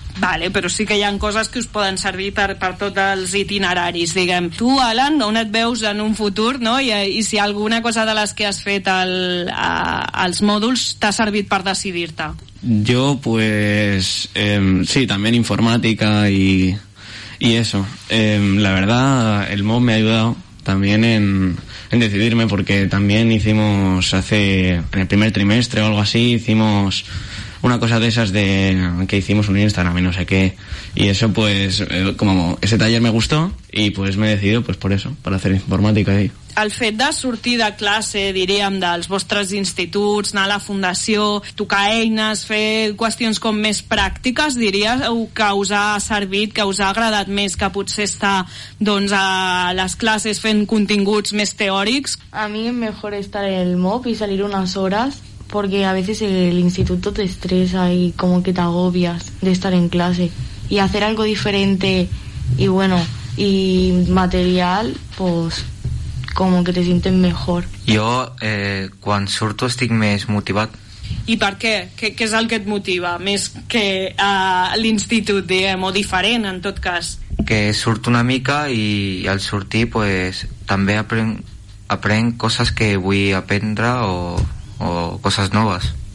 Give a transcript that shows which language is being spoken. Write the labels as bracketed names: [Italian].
[Catalan] Vale, però sí que hi ha coses que us poden servir per tots els itineraris, diguem. Tu, Alan, on et veus en un futur, no? I si alguna cosa de les que has fet als mòduls t'ha servit per decidir-te? Jo, pues, sí, també informàtica i eso. [Spanish] La verdad, el MOOC me ha ayudado también en decidirme, porque también hicimos hace, en el primer trimestre o algo así, hicimos una cosa de esas de que hicimos un Instagram y no sé qué, y eso pues como ese taller me gustó y pues me he decidido pues por eso, para hacer informática ahí. [Catalan] El fet de sortir de classe, diríem, dels vostres instituts, anar a la fundació, tocar eines, fer qüestions com més pràctiques, diries que us ha servit, que us ha agradat més que potser estar doncs, a les classes fent continguts més teòrics? A mi és millor estar en el MOOC i [Spanish] salir unes hores, porque a veces el instituto te estresa y como que te agobias de estar en clase, y hacer algo diferente y bueno y material, pues como que te sientes mejor. [Catalan] Yo quan surto estic més motivat. I per què? Què és el que et motiva més que l'institut, diguem, o diferent en tot cas? Que surto una mica i al sortir pues també aprenc coses que vull aprendre o coses noves.